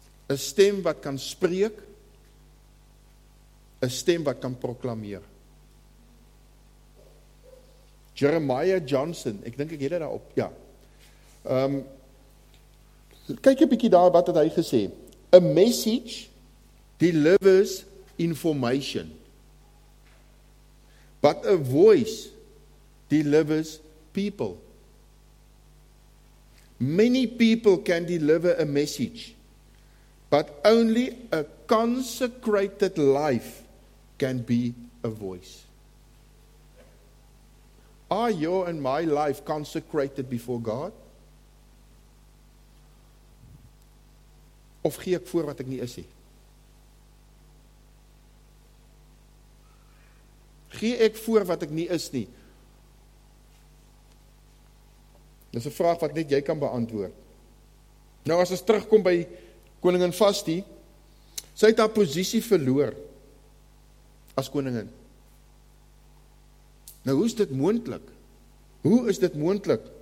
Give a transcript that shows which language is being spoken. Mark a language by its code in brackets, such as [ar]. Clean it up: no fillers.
[af] 'N stem wat kan spreek, 'n stem wat kan proklameer. Jeremiah Johnson, ek dink ek het dit daar op, ja. Kyk 'n bietjie daar, wat het hy gesê? [en] A message delivers information, but a voice delivers people. Many people can deliver a message, but only a consecrated life can be a voice. Are you and my life consecrated before God? [af] Of gee ek voor wat ek nie is nie? Gee ek voor wat ek nie is nie? Dit is 'n vraag wat net jy kan beantwoord. Nou as ons terugkom by koningin Vasti, sy het haar posisie verloor as koningin. Nou hoe is dit moontlik? Hoe is dit moontlik?